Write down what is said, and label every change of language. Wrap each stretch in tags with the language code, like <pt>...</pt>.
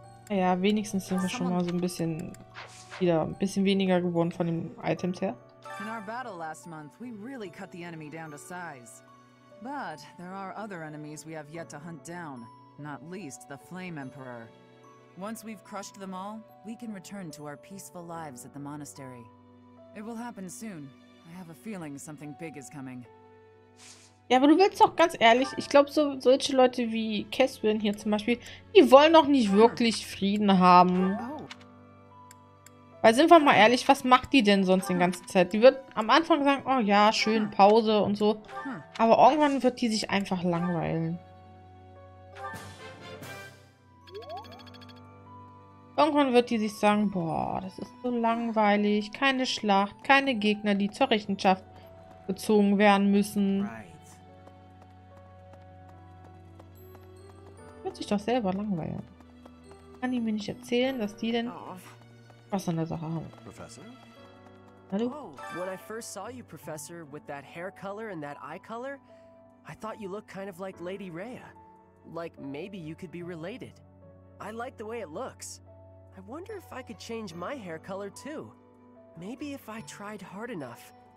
<de>Ja, wenigstens sind wir schon mal so ein bisschen wieder ein bisschen weniger geworden von den Items her.</de> <en>In our battle last month, we really cut the enemy down to size. But there are other enemies we have yet to hunt down, not least the Flame Emperor. Once we've crushed them all, we can return to our peaceful lives at the monastery. It will happen soon. I have a feeling something big is coming.</en> <de>Ja, aber du willst doch ganz ehrlich, ich glaube, so solche Leute wie Caspian hier zum Beispiel, die wollen doch nicht wirklich Frieden haben. Weil sind wir mal ehrlich, was macht die denn sonst die ganze Zeit? Die wird am Anfang sagen, oh ja, schön, Pause und so. Aber irgendwann wird die sich einfach langweilen. Irgendwann wird die sich sagen, boah, das ist so langweilig. Keine Schlacht, keine Gegner, die zur Rechenschaft gezogen werden müssen. Sich doch selber langweilen. Kann ich mir nicht erzählen, dass die denn was an der Sache haben.</de> <en>Professor?</en> <de>Hallo?</de> <en>Oh, when I first saw you, Professor, with that hair color and that eye color, I thought you looked kind of like Lady Rhea. Like maybe you could be related. I like the way it looks. I wonder if I could change my hair color too. Maybe if I tried hard enough.</en>